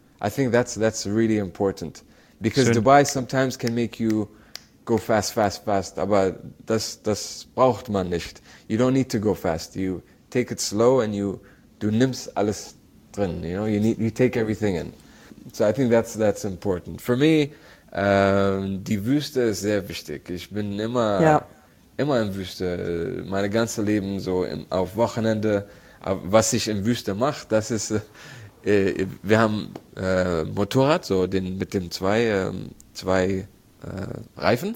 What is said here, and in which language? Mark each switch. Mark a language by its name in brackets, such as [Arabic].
[English] I think that's really important. Because schön. Dubai sometimes can make you go fast, fast, fast. [German] Aber das braucht man nicht. [English] You don't need to go fast. You take it slow and [German] du nimmst alles drin. [English] You know, you take everything in. So I think that's important. For me, [German] die Wüste ist sehr wichtig. Ich bin immer in Wüste. Meine ganze Leben so auf Wochenende. Was ich in Wüste mache, das ist, wir haben Motorrad, so den mit dem zwei Reifen.